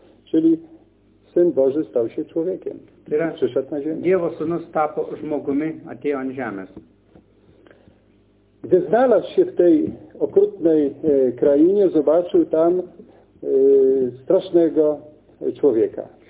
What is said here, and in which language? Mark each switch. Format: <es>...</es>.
<pl>Czyli Syn Boży stał się człowiekiem. Przyszedł na ziemię.</pl> <lt>Dievo sūnus tapo žmogumi, atėjo ant žemės.</lt> <pl>Gdy znalazł się w tej okrutnej krainie, zobaczył tam strasznego człowieka.</pl>